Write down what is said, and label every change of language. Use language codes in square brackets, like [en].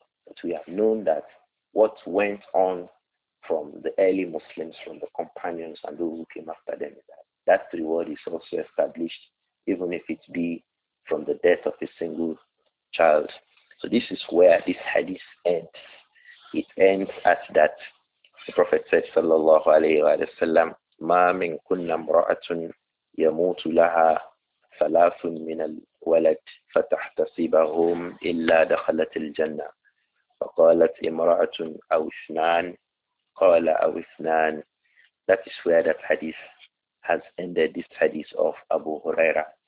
[en] But we have known that what went on from the early Muslims, from the companions and those who came after them, that reward is also established, even if it be from the death of a single child. So this is where this hadith ends. It ends at that. The Prophet said, [ar] sallallahu alayhi wa sallam, ma min kunna mra'atun يَمُوتُ لَهَا ثَلَاثٌ مِنَ الْوَلَدِ فَتَحْتَسِبَهُمْ إِلَّا دَخَلَتِ الْجَنَّةِ فَقَالَتْ إِمْرَأَةٌ أَوْ اثْنَانِ قَالَ أَوْ اثْنَانِ. [en] That is where that hadith has ended, this hadith of Abu Huraira.